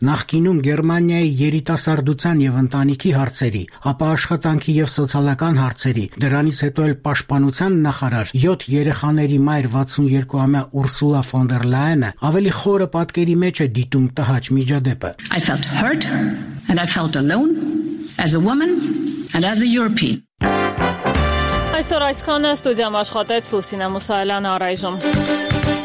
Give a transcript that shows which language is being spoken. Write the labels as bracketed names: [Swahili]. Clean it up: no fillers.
[Armenian] նախկինում Գերմանիայի երիտասարդության և ընտանիքի հարցերի, ապա աշխատանքի և սոցիալական հարցերի, դրանից հետո էլ պաշտպանության նախարար, 7 երեխաների մայր 62-ամյա Ուրսուլա ֆոն դեր Լայենը ավելի խորը պատկերի մեջ է դիտում տհաճ միջադեպը. [English] I felt hurt and I felt alone as a woman and as a European. [Armenian] Այսօր այսքանը, ստուդիայում աշխատեց Լուսինե Մուսայելյանը, առայժմ